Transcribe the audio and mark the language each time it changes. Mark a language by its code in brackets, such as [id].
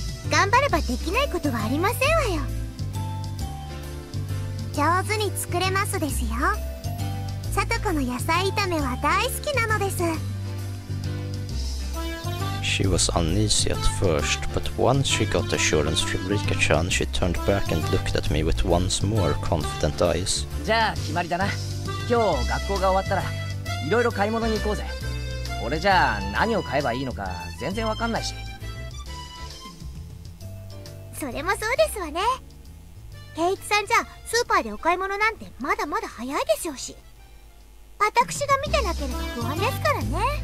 [ja] 頑張ればできないことはありませんわよ。上手に作れますですよ。サトコの野菜炒めは大好きなのです。 [en] She was uneasy at first, but once she got assurance from Rika-chan, she turned back and looked at me with once more confident eyes. [ja] じゃあ決まりだな。今日学校が終わったらいろいろ買い物に行こうぜ。俺じゃあ何を買えばいいのか全然わかんないし。それもそうですわね。圭一さんじゃスーパーでお買い物なんてまだまだ早いでしょうし、私が見てなければ不安ですからね。